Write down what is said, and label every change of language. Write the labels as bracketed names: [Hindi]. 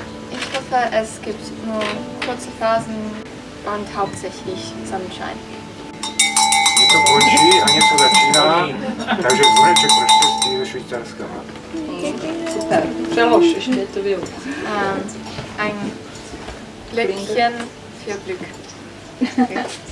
[German] Ich hoffe, es gibt nur kurze Phasen und hauptsächlich Sonnenschein. [Czech] Něco končí a něco začíná, takže zvoneček pro štěstí ve Švýcarsku. Super. Přelož ještě, to bylo. [German] Ein Glöckchen für Glück.